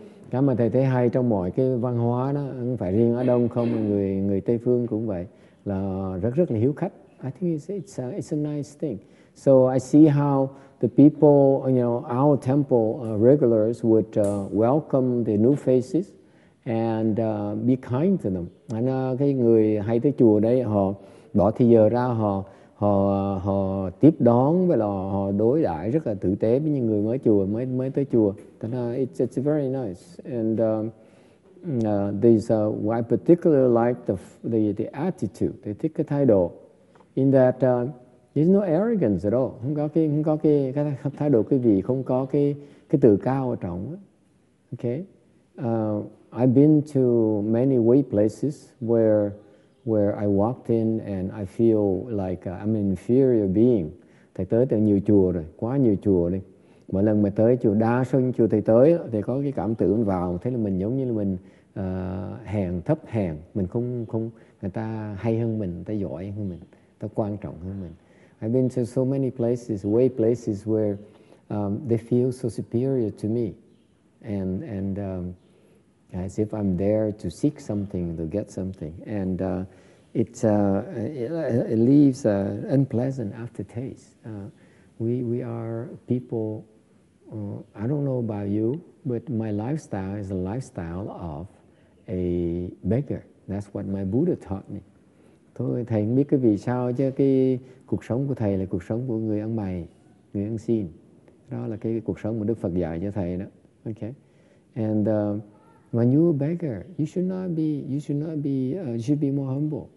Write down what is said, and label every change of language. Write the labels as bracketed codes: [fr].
[vi] Cái mà thầy thấy hay trong mọi cái văn hóa đó, không phải riêng ở Đông không, người Tây phương cũng vậy, là rất rất là hiếu khách. [en] I think it's a nice thing. So I see how the people, you know, our temple regulars would welcome the new faces and be kind to them. [vi] And cái người hay tới chùa đây họ bỏ thời giờ ra họ tiếp đón và là họ đối đãi rất là tử tế với những người mới chùa mới tới chùa. [en] And it's very nice. And I particularly like the attitude. They take [vi] cái thái độ [en] in that there's no arrogance at all. [vi] Không có cái thái độ cái gì, không có cái tự cao ở trong. Okay. [en] I've been to many way places where I walked in and I feel like I'm an inferior being. [vi] Thầy tới từ nhiều chùa rồi, quá nhiều chùa đi. Mỗi lần mà tới chùa, đa số những chùa thầy tới thì có cái cảm tưởng vào thấy là mình giống như là mình hèn thấp hèn, mình không người ta hay hơn mình, người ta giỏi hơn mình, người ta quan trọng hơn mình. [en] I've been to so many places, way places where they feel so superior to me, and as if I'm there to seek something, to get something, and it leaves an unpleasant aftertaste. We are people. I don't know about you, but my lifestyle is a lifestyle of a beggar. That's what my Buddha taught me. [vi] Thôi, thầy không biết cái vì sao chứ cái cuộc sống của thầy là cuộc sống của người ăn mày, người ăn xin. Đó là cái cuộc sống mà Đức Phật dạy cho thầy đó. Okay. [en] And when you're a beggar, you should be more humble.